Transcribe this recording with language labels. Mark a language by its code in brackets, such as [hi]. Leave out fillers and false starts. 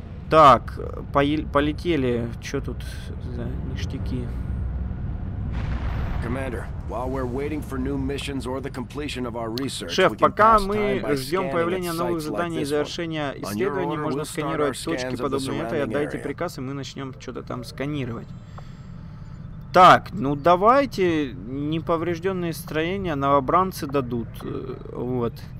[ru] Так, полетели. Чё тут за ништяки? [en] Commander, while we're waiting for new missions or the completion of our research, [ru] шеф, пока мы ждем появления новых заданий и завершения исследований, можно сканировать точки подобные этой. Отдайте приказ, и мы начнем что-то там сканировать. Так, ну давайте неповрежденные строения новобранцы дадут. Вот.